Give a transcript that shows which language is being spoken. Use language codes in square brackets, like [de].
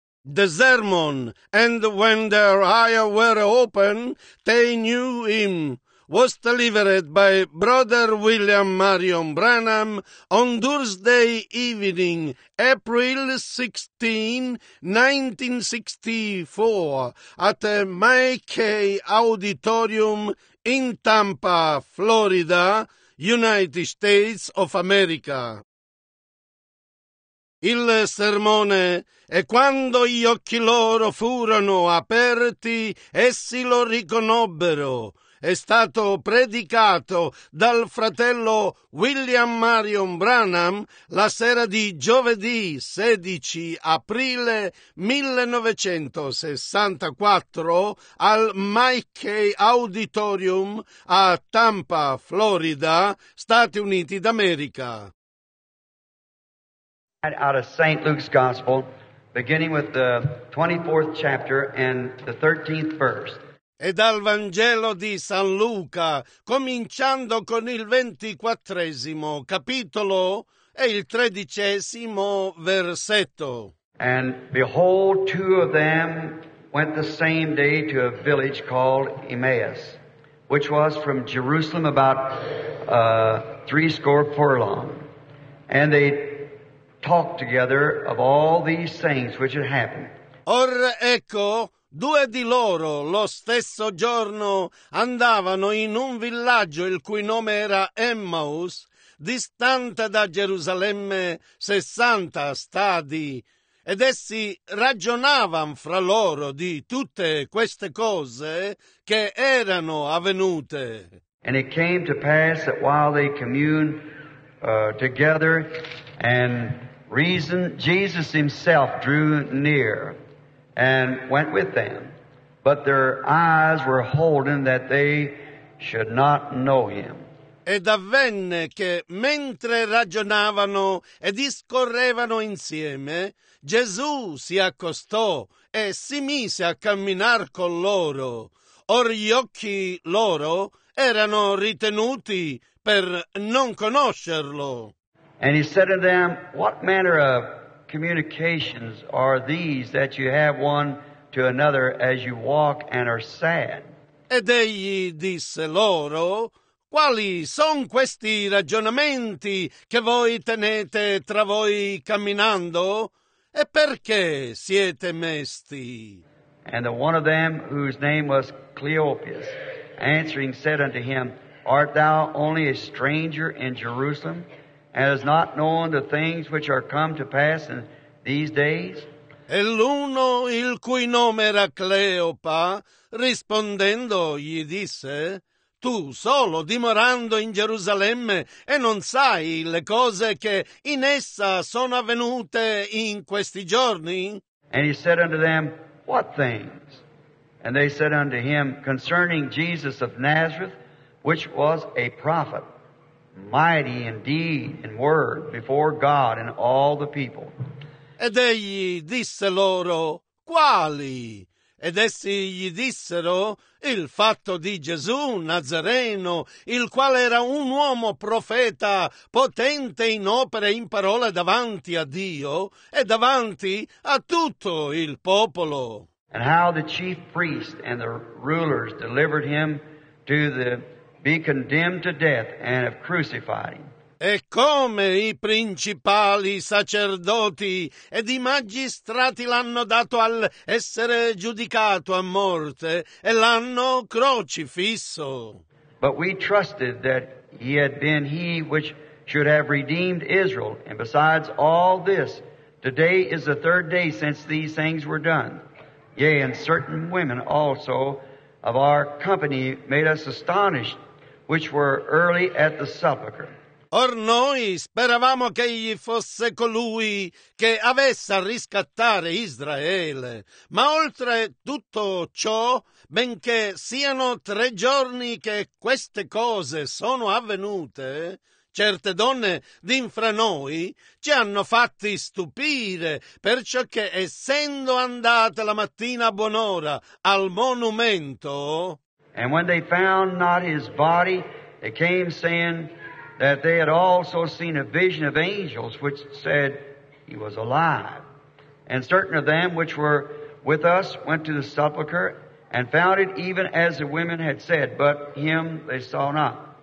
[en] The sermon, and when their eyes were open, they knew him, was delivered by Brother William Marion Branham on Thursday evening, April 16, 1964, at a McKay Auditorium in Tampa, Florida, United States of America. [it] Il sermone, e quando gli occhi loro furono aperti, essi lo riconobbero, è stato predicato dal fratello William Marion Branham la sera di giovedì 16 aprile 1964 al McKay Auditorium a Tampa, Florida, Stati Uniti d'America. [en] Out of St. Luke's Gospel, beginning with the 24th chapter and the 13th verse. [it] E dal Vangelo di San Luca, cominciando con il 24esimo capitolo e il 13esimo versetto. [en] And behold, two of them went the same day to a village called Emmaus, which was from Jerusalem about 80 furlongs. And they talk together of all these things which had happened. [it] Or ecco, due di loro lo stesso giorno andavano in un villaggio il cui nome era Emmaus, distante da Gerusalemme 60 stadi, ed essi ragionavan fra loro di tutte queste cose che erano avvenute. [en] And it came to pass that while they communed together and reason, Jesus himself drew near and went with them, but their eyes were holden that they should not know him. [it] Ed avvenne che, mentre ragionavano e discorrevano insieme, Gesù si accostò e si mise a camminar con loro. Or gli occhi loro erano ritenuti per non conoscerlo. [en] And he said to them, what manner of communications are these that you have one to another as you walk and are sad? [it] Ed egli disse loro, quali son questi ragionamenti che voi tenete tra voi camminando? E perché siete mesti? [en] And the one of them, whose name was Cleopas, answering, said unto him, art thou only a stranger in Jerusalem? And has not known the things which are come to pass in these days? [it] E l'uno, il cui nome era Cleopa, rispondendo gli disse, tu solo dimorando in Gerusalemme e non sai le cose che in essa sono avvenute in questi giorni? [en] And he said unto them, what things? And they said unto him, concerning Jesus of Nazareth, which was a prophet, mighty in deed and word before God and all the people. [it] Ed egli disse loro, quali? Ed essi gli dissero, il fatto di Gesù Nazareno, il quale era un uomo profeta, potente in opere e in parole davanti a Dio e davanti a tutto il popolo. [en] And how the chief priests and the rulers delivered him to the be condemned to death and have crucified him. [it] E come i principali sacerdoti ed i magistrati l'hanno dato al essere giudicato a morte e l'hanno crocifisso. [en] But we trusted that he had been he which should have redeemed Israel. And besides all this, today is the third day since these things were done. Yea, and certain women also of our company made us astonished, which were early at the sepulcher. [it] Or noi speravamo che egli fosse colui che avesse a riscattare Israele, ma oltre tutto ciò, benché siano 3 giorni che queste cose sono avvenute, certe donne d'infra noi ci hanno fatti stupire, perciò che essendo andate la mattina a buon'ora al monumento, [en] and when they found not his body, they came saying that they had also seen a vision of angels which said he was alive. And certain of them which were with us went to the sepulcher and found it even as the women had said, but him they saw not.